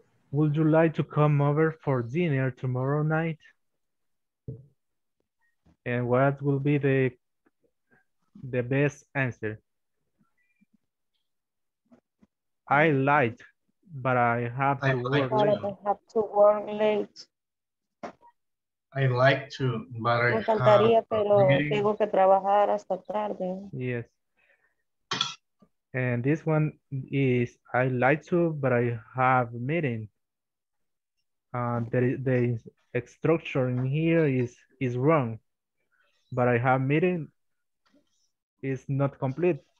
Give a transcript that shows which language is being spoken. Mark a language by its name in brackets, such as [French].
[English] Would you like to come over for dinner tomorrow night? And what will be the best answer? I like, but I have to work late. I have to work late. I like to, but [Spanish] me encantaría, pero tengo que trabajar hasta tarde. [English] Yes. And this one is, I like to, but I have meeting. The structure in here is wrong, but I have meeting is not complete.